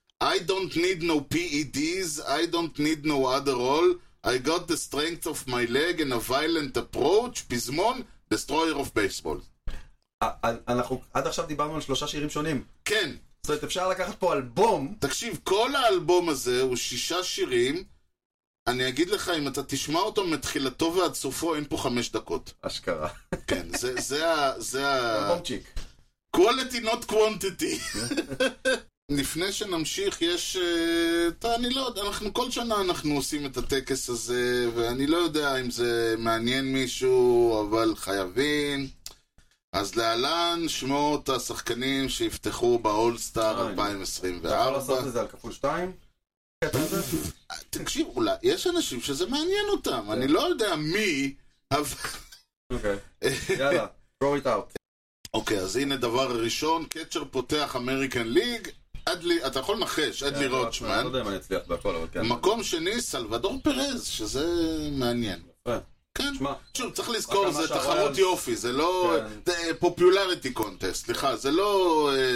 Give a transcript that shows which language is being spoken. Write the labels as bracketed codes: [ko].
[en] I don't need no PEDs, I don't need no Adderall. I got the strength of my leg and a violent approach. [he] פזמון, [en] Destroyer of Baseball. [he] אנחנו עד עכשיו דיברנו על שלושה שירים שונים. כן. זאת אומרת, אפשר לקחת פה אלבום. תקשיב, כל האלבום הזה הוא שישה שירים. אני אגיד לך, אם אתה תשמע אותו מתחילתו ועד סופו, אין פה חמש דקות. אשכרה. כן, זה אלבומצ'יק. [en] Quality, not quantity. [he] לפני שנמשיך, יש... אני לא יודע, אנחנו כל שנה אנחנו עושים את הטקס הזה, ואני לא יודע אם זה מעניין מישהו, אבל חייבים. אז להלן, שמו את השחקנים שיפתחו באולסטאר 2024. אתה יכול לעשות את זה על כפול שתיים? תקשיב, אולי, יש אנשים שזה מעניין אותם, אני לא יודע מי, אבל... אוקיי, יאללה, [en] throw it out. [he] אוקיי, אז הנה דבר ראשון, קצ'ר פותח אמריקן ליג, אדלי, אתה יכול נחש, אדלי רוטשמן. אני לא יודע אם אני אצליח בכל, אבל כן. מקום שני, סלוודור פרז, שזה מעניין. כן, שוב, צריך לזכור, זה תחרות יופי, זה לא פופולריטי קונטסט, סליחה, זה לא...